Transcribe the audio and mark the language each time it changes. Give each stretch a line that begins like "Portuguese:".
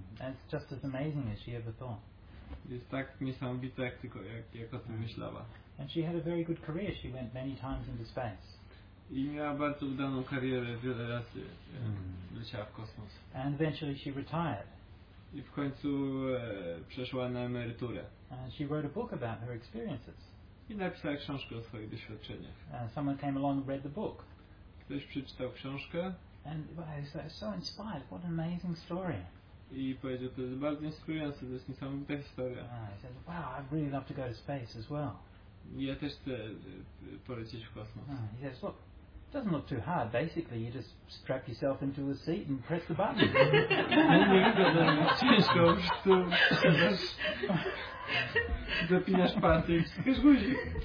English: And it's just as amazing as she ever thought.
Polish: Jest tak niesamowite, jak o tym myślała.
English: And she had a very good career. She went many times into space.
Polish: I miała bardzo udaną karierę, wiele razy leciała w kosmos.
English: And eventually she retired.
Polish: I w końcu przeszła na emeryturę.
English: And she wrote a book about her experiences.
Polish: I napisała książkę o swoich doświadczeniach.
English: Someone came along and read the book.
Polish: Ktoś przeczytał książkę.
English: And was so inspired. What an amazing story.
Polish: I powiedział, to jest bardzo inspirujące, to jest niesamowita historia.
English: I said, wow, I'd really love to go to space as well.
Polish: Ja też chcę polecieć w kosmos.
English: He says, look, it doesn't look too hard. Basically, you just strap yourself into a seat and press the button.
Polish: Nie wygląda na ciężko, to zapinasz palce i wstrzykasz guzik.